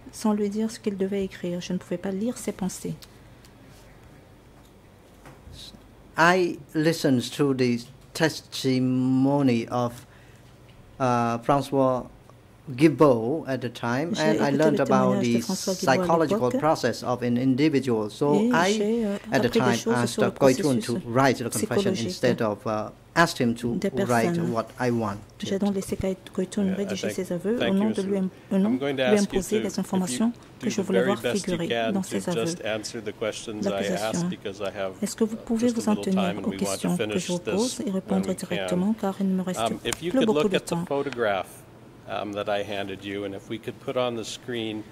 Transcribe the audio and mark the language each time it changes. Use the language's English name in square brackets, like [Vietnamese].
[French] Sans lui dire ce qu'il devait écrire, je ne pouvais pas lire ses pensées. [English] I listened to the testimony of François Guibault at the time, and I learned about the psychological process of an individual. So I, at the time, asked Kuitun to write the confession instead of asked him to write what I want. [French] J'ai donc laissé Kuitun rédiger ses aveux au nom de lui, au nom de lui imposer les informations que je voulais voir figurer dans ses aveux. L'accusation. Est-ce que vous pouvez vous en tenir aux questions que je vous pose et répondre directement, car il ne me reste plus beaucoup de temps. [English] That I handed you, and if we could put on the screen